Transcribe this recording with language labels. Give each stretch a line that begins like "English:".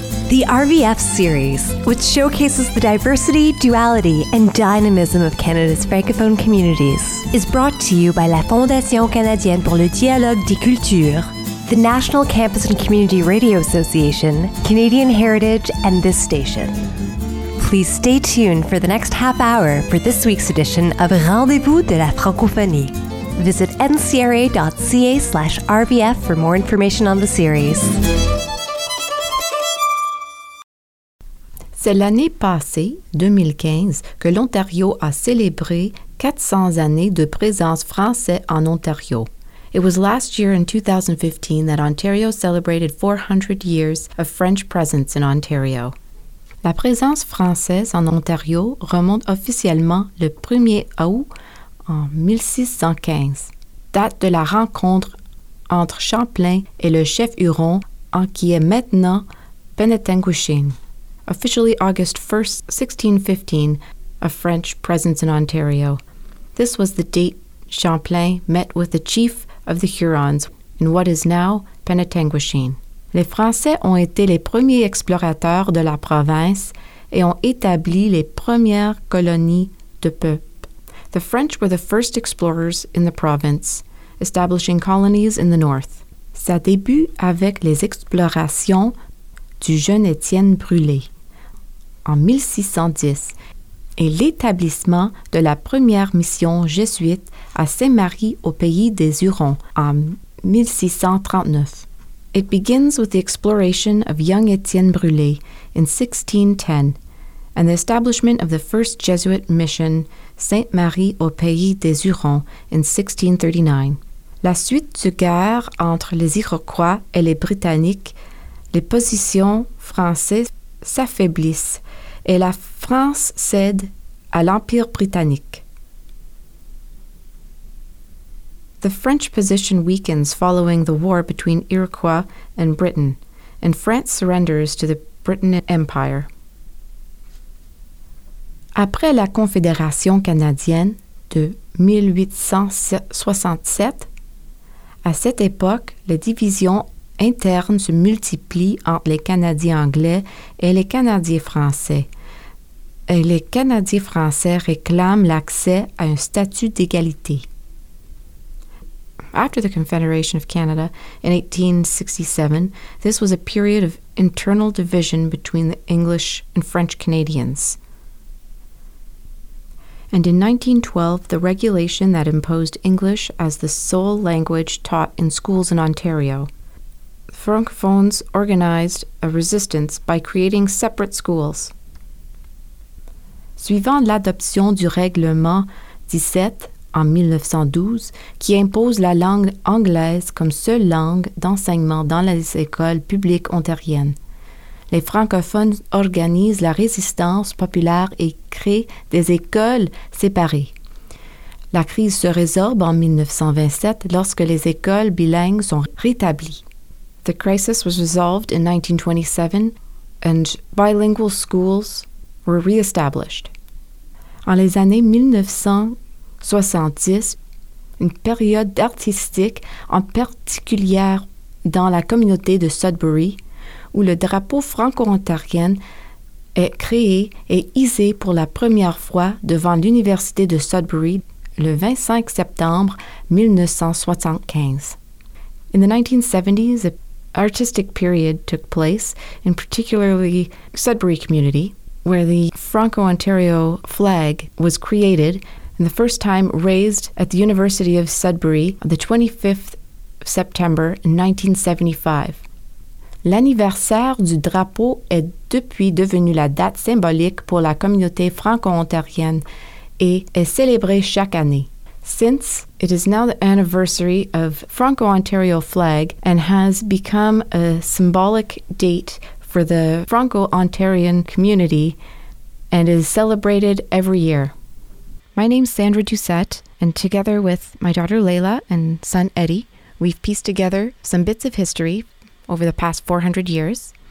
English: The RVF series, which showcases the diversity, duality, and dynamism of Canada's Francophone communities, is brought to you by La Fondation Canadienne pour le Dialogue des Cultures, the National Campus and Community Radio Association, Canadian Heritage, and this station. Please stay tuned for the next half hour for this week's edition of Rendez-vous de la Francophonie. Visit ncra.ca/RVF for more information on the series.
French: C'est l'année passée, 2015, que l'Ontario a célébré 400 années de présence française en Ontario.
English: It was last year in 2015 that Ontario celebrated 400 years of French presence in Ontario.
French: La présence française en Ontario remonte officiellement le 1er août en 1615, date de la rencontre entre Champlain et le chef Huron en qui est maintenant Penetanguishene.
English: Officially August 1st, 1615, a French presence in Ontario. This was the date Champlain met with the chief of the Hurons in what is now Penetanguishene.
French: Les Français ont été les premiers explorateurs de la province et ont établi les premières colonies de peuple.
English: The French were the first explorers in the province, establishing colonies in the north.
French: Ça débute avec les explorations du jeune Étienne Brûlé en 1610 et l'établissement de la première mission jésuite à Sainte-Marie au pays des Hurons en 1639.
English: It begins with the exploration of young Étienne Brûlé in 1610 and the establishment of the first Jesuit mission Sainte-Marie au pays des Hurons in 1639.
French: La suite de guerre entre les Iroquois et les Britanniques, les positions françaises s'affaiblissent et la France cède à l'Empire britannique.
English: The French position weakens following the war between Iroquois and Britain, and France surrenders to the British Empire.
French: Après la Confédération canadienne de 1867, à cette époque, les divisions internes se multiplient entre les Canadiens anglais et les Canadiens français. Et les Canadiens français réclament l'accès à un statut d'égalité.
English: After the Confederation of Canada in 1867, this was a period of internal division between the English and French Canadians. And in 1912, the regulation that imposed English as the sole language taught in schools in Ontario. Francophones organized a resistance by creating separate schools.
French: Suivant l'adoption du règlement 17, en 1912, qui impose la langue anglaise comme seule langue d'enseignement dans les écoles publiques ontariennes. Les francophones organisent la résistance populaire et créent des écoles séparées. La crise se résorbe en 1927 lorsque les écoles bilingues sont rétablies.
English: The crisis was resolved in 1927 and bilingual schools were re-established.
French: En les années 1970, une période artistique en particulier dans la communauté de Sudbury, où le drapeau franco-ontarien est créé et hissé pour la première fois devant l'Université de Sudbury le 25 septembre 1975.
English: In the 1970s, an artistic period took place, in particularly Sudbury community, where the Franco-Ontario flag was created and the first time raised at the University of Sudbury on the 25th September 1975.
French: L'anniversaire du drapeau est depuis devenu la date symbolique pour la communauté franco-ontarienne et est célébré chaque année.
English: Since it is now the anniversary of Franco-Ontario flag and has become a symbolic date for the Franco-Ontarian community and is celebrated every year. My name's Sandra Doucette, and together with my daughter Layla and son Eddie, we've pieced together some bits of history over the past 400 years